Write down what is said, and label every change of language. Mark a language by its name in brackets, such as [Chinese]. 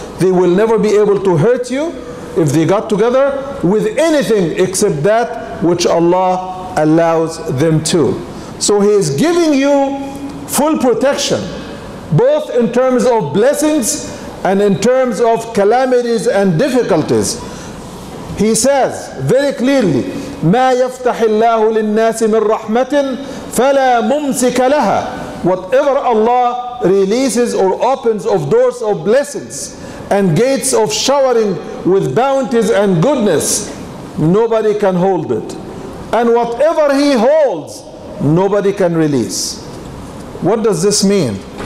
[English] They will never be able to hurt you if they got together with anything except that which Allah allows them to. So He is giving you full protection, both in terms of blessings and in terms of calamities and difficulties. He says very clearly, [Arabic] مَا يَفْتَحِ اللَّهُ لِلنَّاسِ مِنْ رَحْمَةٍ فَلَا مُمْسِكَ لَهَا. [English] Whatever Allah releases or opens of doors of blessings and gates of showering with bounties and goodness, nobody can hold it. And whatever He holds, nobody can release. What does this mean?